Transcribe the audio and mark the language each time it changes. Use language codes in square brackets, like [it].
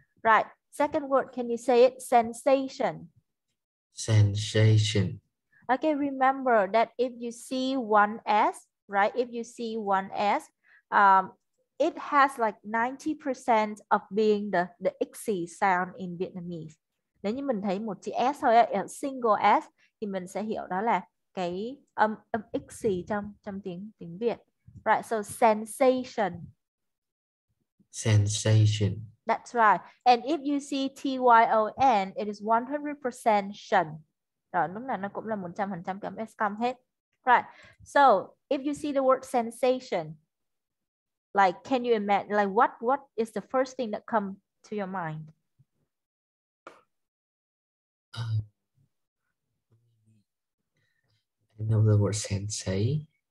[en] Right, second word, can you say it? Sensation. Sensation. Okay, remember that if you see one S, right, if you see one S, it has like 90% of being the ICSI sound in Vietnamese. [vi] Nếu như mình thấy một chữ S thôi, [en] a single S, [vi] thì mình sẽ hiểu đó là cái âm ICSI trong tiếng Việt. [en] Right, so sensation. Sensation. That's right. And if you see T-Y-O-N, it is 100% shun. [vi] Rồi, lúc này nó cũng là 100% cái âm S come hết. [en] Right, so if you see the word sensation, like, can you imagine, like, what is the first thing that come to your mind? I know the word sensei.